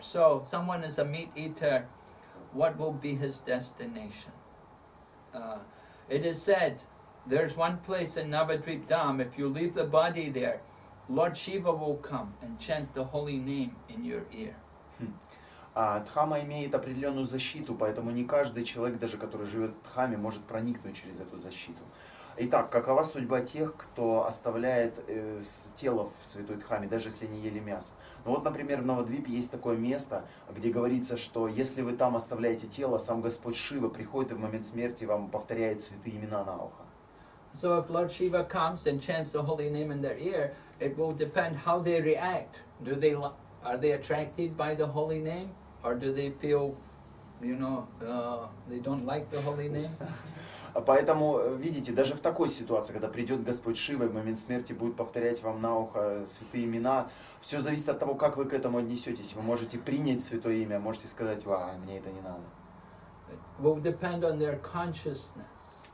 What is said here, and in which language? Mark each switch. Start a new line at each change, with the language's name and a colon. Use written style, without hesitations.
English: So, someone is a meat eater. What will be his destination? It is said, there's one place in Navadvip Dham, if you leave the body there, Lord Shiva will come and chant the holy name in your ear.
Russian: Дхама имеет определенную защиту, поэтому не каждый человек, даже который живет в Дхаме, может проникнуть через эту защиту. Итак, какова судьба тех, кто оставляет тело в Святой Дхаме, даже если они ели мясо? Ну вот, например, в Навадвипе есть такое место, где говорится, что если вы там оставляете тело, сам Господь Шива приходит и в момент смерти вам повторяет святые имена на ухо.
English: So if Lord Shiva comes and chants the holy name in their ear, it will depend how they react. Do they, are they attracted by the holy name? Or do they feel, you know, they don't like the holy name?
Russian: Поэтому, видите, даже в такой ситуации, когда придет Господь Шива и в момент смерти будет повторять вам на ухо святые имена, все зависит от того, как вы к этому отнесетесь. Вы можете принять святое имя, можете сказать, а, мне это не надо.
English: It will depend on their consciousness.